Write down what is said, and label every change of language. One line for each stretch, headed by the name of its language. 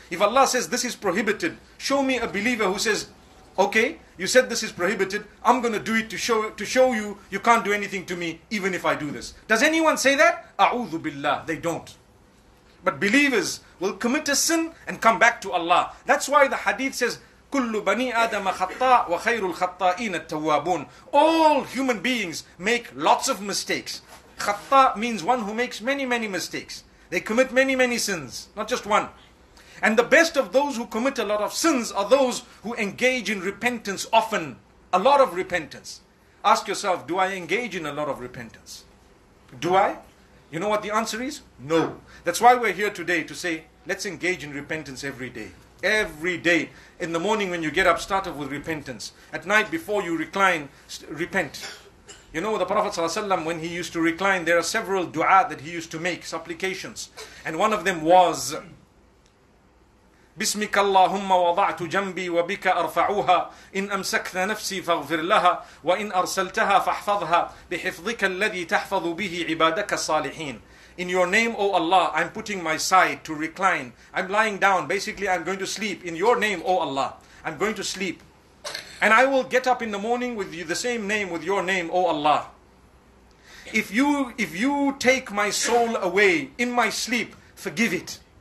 English: If Allah says this is prohibited, show me a believer who says, okay, you said this is prohibited, I'm going to do it to show you, you can't do anything to me even if I do this. Does anyone say that? A'udhu billah, they don't. But believers will commit a sin and come back to Allah.
Arabic: That's why the hadith says, كُلُّ بَنِي آدَمَ خَطَّاءُ وَخَيْرُ الْخَطَّائِينَ التَّوَّابُونَ.
English: All human beings make lots of mistakes. Khatta means one who makes many, many mistakes. They commit many, many sins, not just one. And the best of those who commit a lot of sins are those who engage in repentance often, a lot of repentance. Ask yourself, do I engage in a lot of repentance? Do I? You know what the answer is? No. That's why we're here today, to say, let's engage in repentance every day. Every day. In the morning when you get up, start off with repentance. At night before you recline, repent. You know, the Prophet ﷺ, when he used to recline, there are several du'a that he used to make, supplications.
Arabic: And one of them was, بِسْمِكَ اللَّهُمَّ وَضَعْتُ جَنْبِي وَبِكَ أَرْفَعُوهَا إِنْ أَمْسَكْتَ نَفْسِي فَاغْفِرْ لَهَا وَإِنْ أَرْسَلْتَهَا فَاحْفَظْهَا بِحِفْظِكَ الَّذِي تَحْفَظُ بِهِ عِبَادَكَ الصَّالِحِينَ.
English: In your name, O Allah, I'm putting my side to recline. I'm lying down. Basically, I'm going to sleep. In your name, O Allah, I'm going to sleep. And I will get up in the morning with you, the same name, with your name, O Allah. If you take my soul away in my sleep, forgive it.